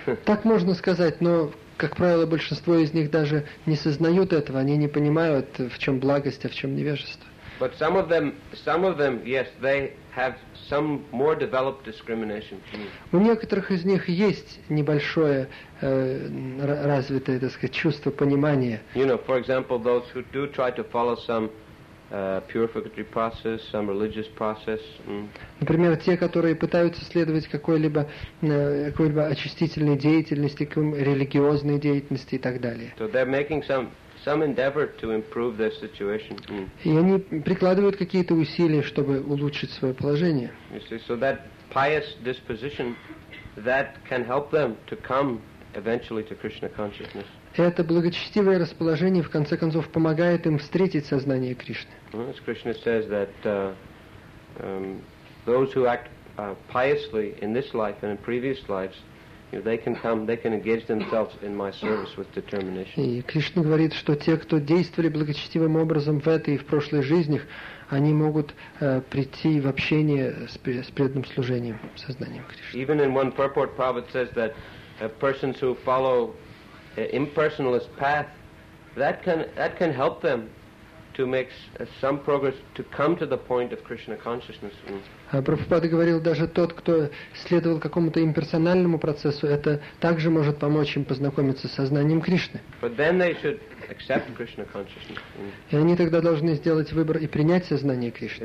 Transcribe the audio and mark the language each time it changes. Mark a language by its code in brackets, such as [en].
[ru] Так можно сказать, но, как правило, большинство из них даже не сознают этого, они не понимают, в чем благость, а в чем невежество. [en] But some of them, yes, they have some more developed discrimination. [ru] У некоторых из них есть небольшое развитое, так сказать, чувство понимания. [en] You know, for example, those who do try to follow some purificatory process, some religious process. [ru] Например, те, которые пытаются следовать какой-либо очистительной деятельности, религиозной деятельности и так далее. [en] So they're making some endeavor to improve their situation. [ru] И они прикладывают какие-то усилия, чтобы улучшить свое положение. [en] You see, so that pious disposition that can help them to come eventually to Krishna consciousness. [ru] Это благочестивое расположение, в конце концов, помогает им встретить сознание Кришны. [en] As Krishna says that those who act piously in this life and in previous lives, you know, they can come, they can engage themselves in my service with determination. [ru] И Кришна говорит, что те, кто действовали благочестивым образом в этой и в прошлой жизнях, они могут прийти в общение с преданным служением, сознанием Кришны. [en] Even in one purport, Prabhupada says that persons who follow impersonalist path, that can help them to make some progress to come to the point of Krishna consciousness. [ru] Прабхупада говорил, даже тот, кто следовал какому-то имперсональному процессу, это также может помочь им познакомиться с сознанием Кришны. [en] But then they should accept Krishna consciousness. [ru] И они тогда должны сделать выбор и принять сознание Кришны.